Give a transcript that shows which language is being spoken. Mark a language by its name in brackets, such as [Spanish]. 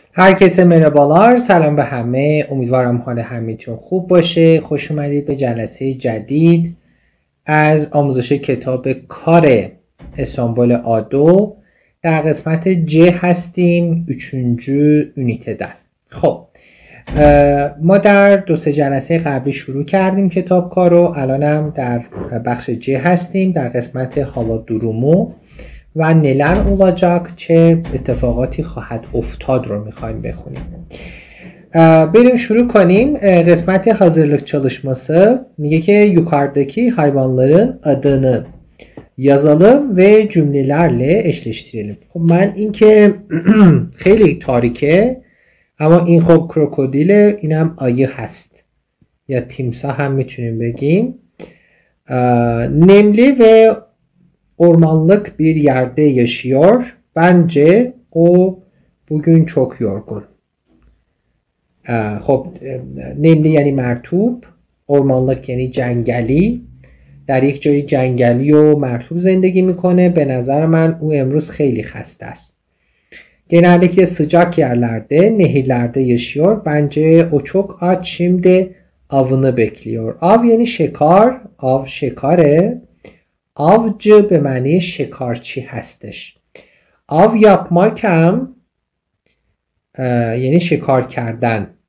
[Turkish] Herkese merhabalar, selam [Persian] به همه. امیدوارم حال همهتون خوب باشه. خوش اومدید به جلسه جدید از آموزش کتاب کار استانبول آدو. در قسمت ج هستیم، 3 یونیته در. خب ما در 2 جلسه قبلی شروع کردیم کتاب کارو، الانم در بخش ج هستیم، در قسمت [Turkish] هوا درومو و نلن اولاجاک [Persian] چه اتفاقاتی خواهد افتاد رو میخواییم بخونیم. بریم شروع کنیم. قسمت [Turkish] حاضرلک چالشماسه [Persian] میگه که [Turkish] یوکاردکی حیوانلرن ادنی یازالم و جملیلرلی اشلشتیریلیم. [Persian] خب من این که خیلی تاریکه، اما این خب کروکودیله، اینم آیه هست یا تیمسه هم میتونیم بگیم. [Turkish] نملی و ormanlık bir yerde yaşıyor. Bence o bugün çok yorgun. [Persian] خب نملی یعنی مرتوب، ormanlık یعنی جنگلی. در یک جای جنگلی و مرتوب زندگی میکنه. به نظر من او امروز خیلی خسته است. [Turkish] genelde ki sıcak yerlerde, nehirlerde yaşıyor. Bence o çok aç, şimdi avını bekliyor. [Persian] Av یعنی شکار، av شکاره. Avcı به معنی شکارچی هستش. [Turkish] Av yapmak [Persian] هم یعنی شکار کردن.